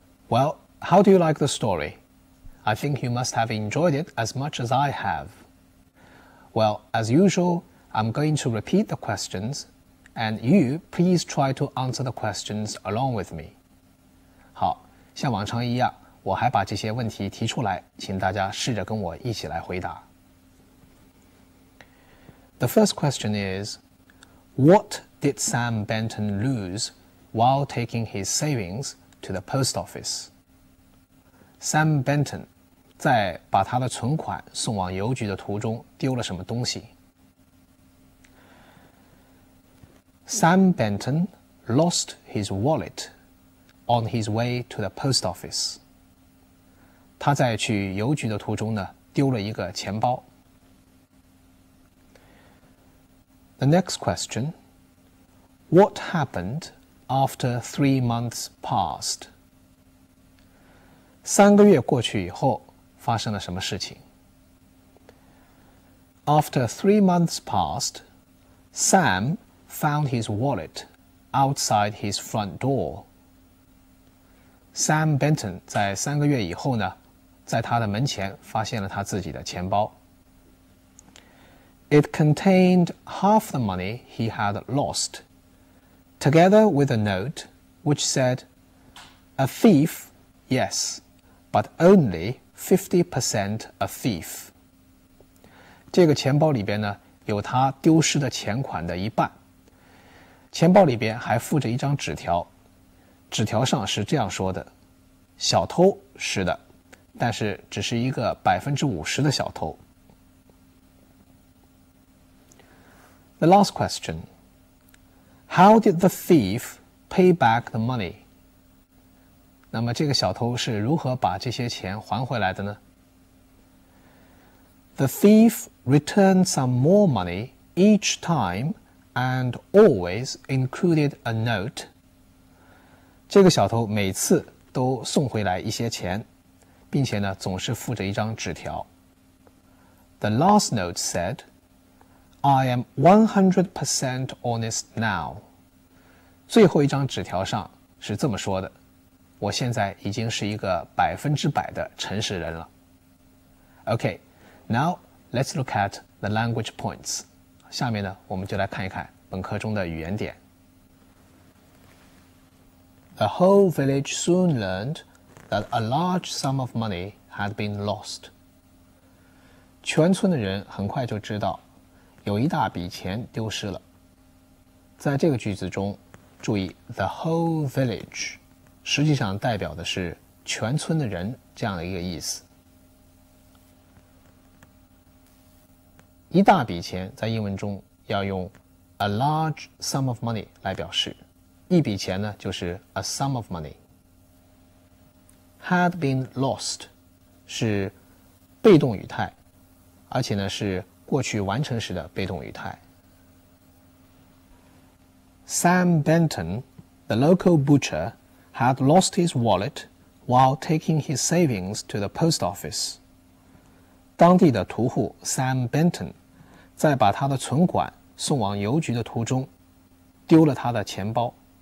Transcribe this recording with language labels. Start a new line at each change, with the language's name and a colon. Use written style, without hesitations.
English: Well, how do you like the story? I think you must have enjoyed it as much as I have. Well, as usual, I'm going to repeat the questions, and you please try to answer the questions along with me.
Chinese: 好，像往常一样，我还把这些问题提出来，请大家试着跟我一起来回答。
English: The first question is, What did Sam Benton lose while taking his savings to the post office? Sam Benton.
Chinese: 在把他的存款送往邮局的途中丢了什么东西?
English: Sam Benton lost his wallet on his way to the post office.
Chinese: 他在去邮局的途中呢丢了一个钱包。
English: The next question, What happened after 3 months passed?
Chinese: 三个月过去以后发生了什么事情?
English: After 3 months passed, Sam found his wallet outside his front door.
Chinese: Sam Benton 在三个月以后呢，在他的门前发现了他自己的钱包。
English: It contained half the money he had lost, together with a note which said, "A thief, yes, but only 50% a thief."
Chinese: 这个钱包里边呢，有他丢失的钱款的一半。钱包里边还附着一张纸条，纸条上是这样说的：小偷是的，但是只是一个50%的小偷。
English: The last question. How did the thief pay back the money?
Chinese: 那么这个小偷是如何把这些钱还回来的呢？
English: The thief returned some more money each time and always included a note.
Chinese: 这个小偷每次都送回来一些钱，并且呢总是附着一张纸条。
English: The last note said,I am 100% honest now.
Chinese: 最后一张纸条上是这么说的，我现在已经是一个100%的诚实人了。
English: OK, now let's look at the language points.
Chinese: 下面呢，我们就来看一看本课中的语言点。
English: The whole village soon learned that a large sum of money had been lost.
Chinese: 全村的人很快就知道有一大笔钱丢失了。在这个句子中，注意
English: the whole village
Chinese: 实际上代表的是全村的人这样的一个意思。一大笔钱在英文中要用
English: a large sum of money
Chinese: 来表示，一笔钱呢就是
English: a sum of money。 had been lost
Chinese: 是被动语态，而且呢是过去完成时的被动语态。
English: Sam Benton, the local butcher, had lost his wallet while taking his savings to the post office.
Chinese: 当地的屠户 Sam Benton 在把他的存款送往邮局的途中丢了他的钱包。